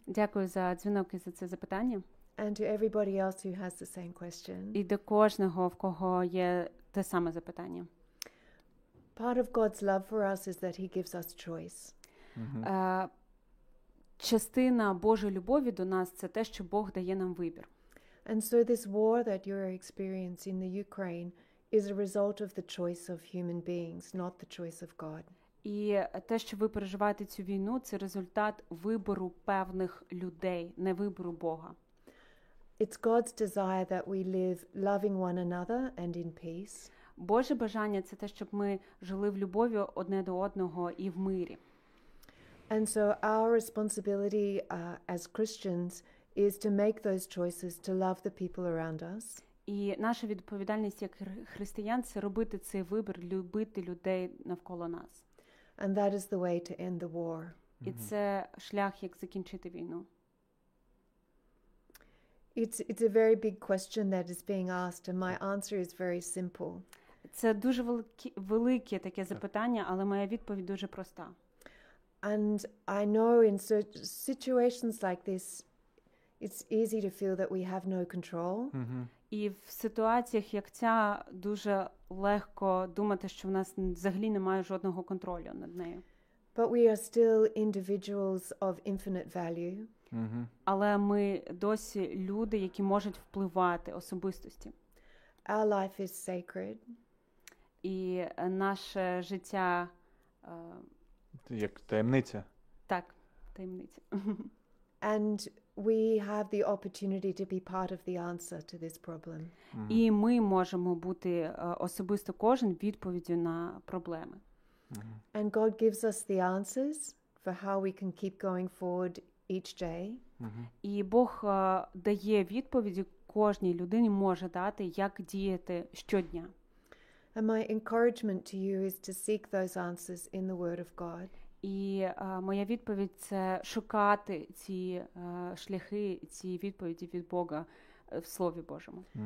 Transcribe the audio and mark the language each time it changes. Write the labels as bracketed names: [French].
[Ukrainian] Дякую за дзвінок і за це запитання. [English] And to everybody else who has the same question. [Ukrainian] І до кожного, в кого є те саме запитання. [English] Part of God's love for us is that he gives us choice. [Ukrainian] Частина Божої любові до нас це те, що Бог дає нам вибір. [English] And so this war that you're experiencing in the Ukraine is a result of the choice of human beings, not the choice of God. [Ukrainian] І те, що ви переживаєте цю війну, це результат вибору певних людей, не вибору Бога. [English] It's God's desire that we live loving one another and in peace. [Ukrainian] Боже бажання це те, щоб ми жили в любові одне до одного і в мирі. [English] And so our responsibility as Christians is to make those choices to love the people around us. [Ukrainian] І наша відповідальність як християн це робити цей вибір любити людей навколо нас. [English] And that is the way to end the war. [Ukrainian] І це шлях як закінчити війну. [English] It's a very big question that is being asked and my answer is very simple. [Ukrainian] Це дуже велике таке запитання, але моя відповідь дуже проста. [English] And I know in such situations like this it's easy to feel that we have no control. [Ukrainian] І в ситуаціях як ця дуже легко думати, що в нас взагалі немає жодного контролю над нею. [English] But we are still individuals of infinite value. [Ukrainian] Але ми досі люди, які можуть впливати особистості. [English] Our life is sacred. [Ukrainian] І наше життя як таємниця. Так, таємниця. [English] And we have the opportunity to be part of the answer to this problem. [Ukrainian] І ми можемо бути особисто кожен відповіддю на проблеми. [English] And God gives us the answers for how we can keep going forward each day. [Ukrainian] І Бог дає відповіді кожній людині може дати, як діяти щодня. [English] And my encouragement to you is to seek those answers in the Word of God. [Ukrainian] І моя відповідь – це шукати ці шляхи, ці відповіді від Бога в Слові Божому.